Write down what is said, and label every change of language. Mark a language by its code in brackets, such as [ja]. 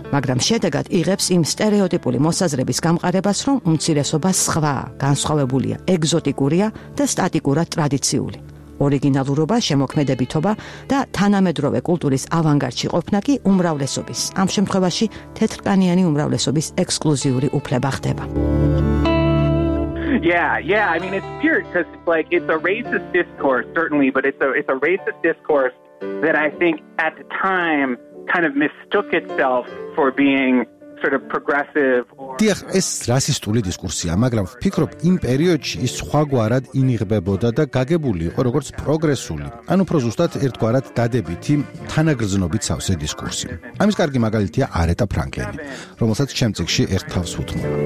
[ka] მაგრამ შედეგად იღებს იმ სტერეოტიპული მოსაზრების გამყარებას, რომ უმცირესობა სხვაა, განსხვავებულია, ეგზოტიკურია და სტატიკურად ტრადიციული. ორიგინალურობა, შემოქმედებითობა და თანამედროვე კულტურის ავანგარდში ყოფნა კი უმრავლესობის, ამ შემთხვევაში თეთრკანიანი უმრავლესობის ექსკლუზიური უფლება ხდება. [en] Yeah, I mean it's pure cuz like it's a racist discourse certainly, but it's a racist discourse that I think at the time kind of mistook itself for being sort of progressive or [ka] დიახ, ეს რასისტული დისკურსია, მაგრამ ვფიქრობ იმ პერიოდში ის სხვაგვარად ინიღბებოდა და გაგებული იყო როგორც პროგრესული. ან უფრო ზუსტად ერთგვარად დადებითი თანაგრძნობით სავსე დისკურსი. ამის კარგი მაგალითია არეტა ფრანკლინი, რომელსაც ჩემ წიგში ერთ თავს უთმობ.